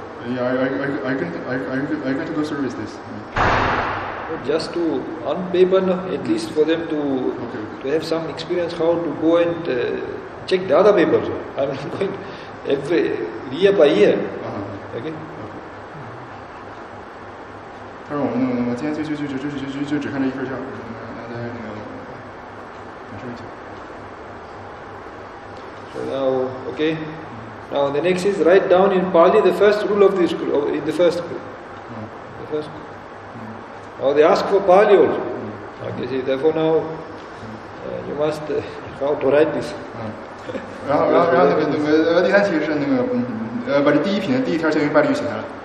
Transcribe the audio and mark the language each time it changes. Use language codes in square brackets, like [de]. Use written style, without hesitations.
[en] Yeah, are you going to go through with this? Yeah. just to on paper, no, at least for them to to have some experience how to go and check the other papers. I'm going every year by year. Okay. [zh] 他说我们今天就只看这一份教，那大家感受一下。 [en] So now, okay. Now the next is write down in Pali the first rule of the school, in the first school. The first school. Or they ask for Pali also. Okay, see, therefore now you must how to write this. [zh] 然后那个第三题是那个把这第一品的第一条先用巴利语写下来。